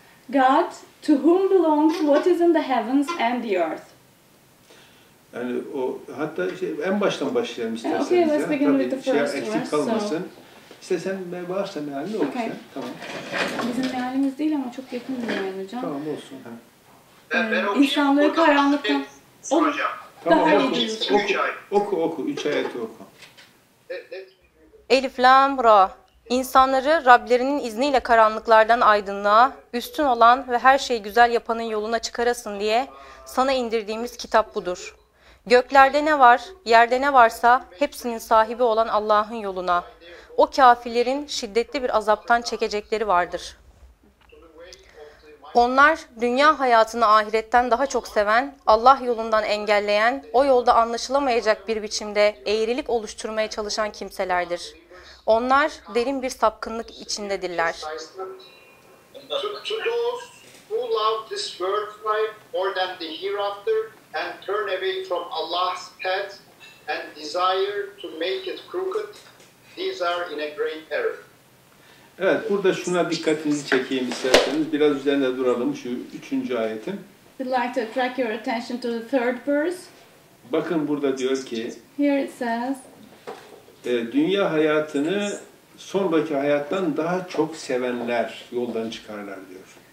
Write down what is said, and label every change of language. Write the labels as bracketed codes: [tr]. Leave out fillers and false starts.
[en] God, to whom belongs what is in the heavens and the earth. [tr] Yani o hatta şey, en baştan başlayalım isterseniz. [en] Okay, ya. Let's begin with the first verse. [tr] Eksik kalmasın. [en] So, [tr] İşte sen ne varsa ne halini [en] okay. [tr] Okusun. Tamam. Bizim mealimiz değil ama çok yakın bir meal hocam. Tamam olsun. Ha. Ben İnsanları karanlıktan... Tamam, daha iyi oku. 3 ayeti oku. Elif, Lam, Ra. İnsanları Rablerinin izniyle karanlıklardan aydınlığa, üstün olan ve her şeyi güzel yapanın yoluna çıkarasın diye sana indirdiğimiz kitap budur. Göklerde ne var, yerde ne varsa hepsinin sahibi olan Allah'ın yoluna. O kafirlerin şiddetli bir azaptan çekecekleri vardır. Onlar dünya hayatını ahiretten daha çok seven, Allah yolundan engelleyen, o yolda anlaşılamayacak bir biçimde eğrilik oluşturmaya çalışan kimselerdir. Onlar derin bir sapkınlık içindedirler. [en] To those who love this world life more than the hereafter and turn away from Allah's path and desire to make it crooked, these are in a great error. [tr] Evet, burada şuna dikkatinizi çekeyim isterseniz. Biraz üzerinde duralım şu üçüncü ayetin. [en] We'd like to attract your attention to the third verse. [tr] Bakın burada diyor ki. [en] Here it says. [tr] Dünya hayatını sonraki hayattan daha çok sevenler yoldan çıkarlar diyor.